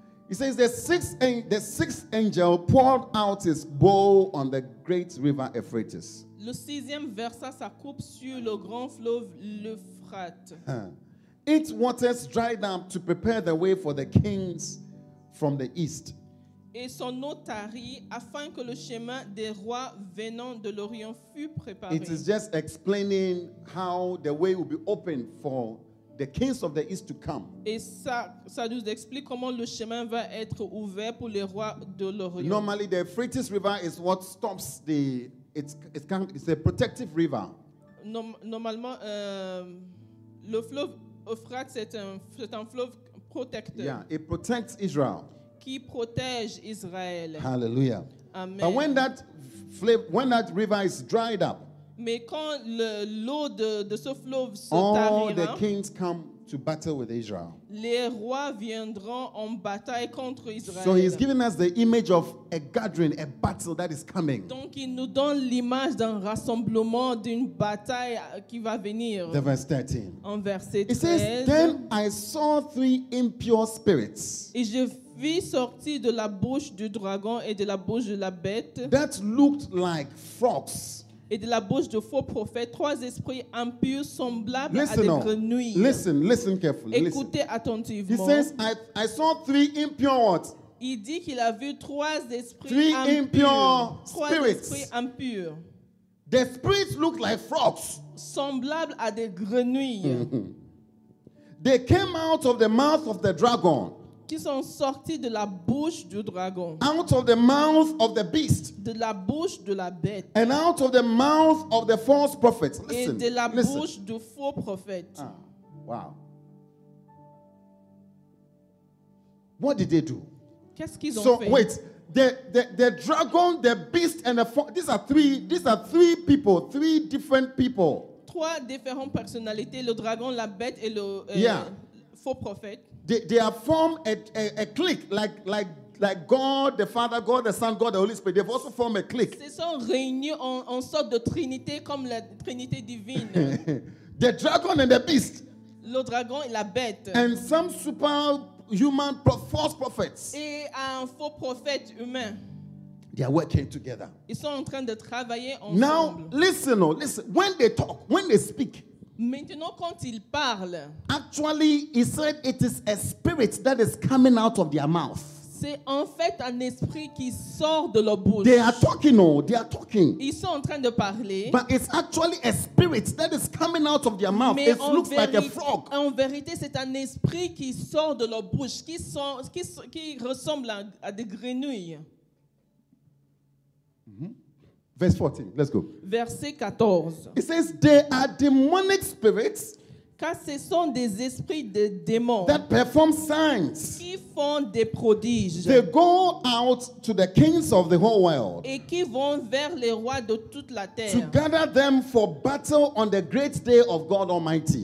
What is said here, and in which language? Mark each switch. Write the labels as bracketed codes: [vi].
[en] It says, the sixth angel poured out his bowl on the great river Euphrates. [fr] Le sixième versa sa coupe sur le grand fleuve l'Euphrate. [en] Its waters dried up to prepare the way for the kings from the east. [fr] Et son eau tarie afin que le chemin des rois venant de l'Orient fût préparé. [en] It is just explaining how the way will be open for the kings of the east to come. [fr] Et ça nous explique comment le chemin va être ouvert pour les rois de l'Orient. [en] Normally, the Euphrates River is what stops the it's a protective river. [fr] Normalement, le fleuve Euphrate c'est un fleuve protecteur. [en] Yeah, it protects Israel. [fr] Qui protège Israël. [en] Hallelujah. Amen. But when that river is dried up, [fr] mais quand l'eau de ce fleuve se tarira, [en] all the kings come to battle with Israel. [fr] Les rois viendront en bataille contre Israël. [en] So he's giving us the image of a gathering, a battle that is coming. [fr] Donc il nous donne l'image d'un rassemblement, d'une bataille qui va venir. [en] The verse 13. [fr] En verset 13. [en] It says, then I saw three impure spirits. [fr] Et je vit sorti de la bouche du dragon et de la bouche de la bête. [en] That looked like frogs. [fr] Et de la bouche de faux prophètes, trois esprits impurs semblables [en] listen [fr] à des grenouilles. [en] Listen carefully. [fr] Écoutez [en] listen. [fr] Attentivement. [en] He says, I saw three impure words. [fr] Il dit qu'il a vu trois esprits [en] three [fr] impurs. [en] Impure spirits. [fr] Trois esprits impurs. [en] The spirits looked like frogs. [fr] Semblables à des grenouilles. [en] They came out of the mouth of the dragon. [fr] Qui sont sortis de la bouche du dragon. [en] Out of the mouth of the beast. [fr] De la bouche de la bête. [en] And out of the mouth of the false prophets. Listen. [fr] Et de la bouche du faux prophète. [en] Ah, wow. What did they do? [fr] Qu'est-ce qu'ils ont [en] so, [fr] fait? [en] So wait, the dragon, the beast, and the these are three people, three different people. [fr] Trois différentes personnalités, le dragon, la bête et le faux prophète. [en] They have formed a clique like God the Father, God the Son, God the Holy Spirit. They've also formed a clique. [fr] Ils se sont réunis en sorte de trinité comme la trinité divine. [en] The dragon and the beast. [fr] Le dragon et la bête. [en] And some super human false prophets. [fr] Et un faux prophète humain. [en] They are working together. [fr] Ils sont en train de travailler ensemble. [en] Now listen. When they talk, when they speak. [fr] Maintenant quand ils parlent. [en] Actually, he said it is a spirit that is coming out of their mouth. [fr] C'est en fait un esprit qui sort de leur bouche. [en] They are talking, oh, they are talking. [fr] Ils sont en train de parler. [en] But it's actually a spirit that is coming out of their mouth. [fr] Mais [en] it looks like a frog. [fr] En vérité, c'est un esprit qui sort de leur bouche, qui ressemble à des grenouilles. [en] Verse 14, let's go. [fr] Verset 14. [en] It says, they are demonic spirits. [fr] Car ce sont des esprits de démons. [en] That perform signs. [fr] Qui font des prodiges. [en] They go out to the kings of the whole world. [fr] Et qui vont vers les rois de toute la terre. [en] To gather them for battle on the great day of God Almighty.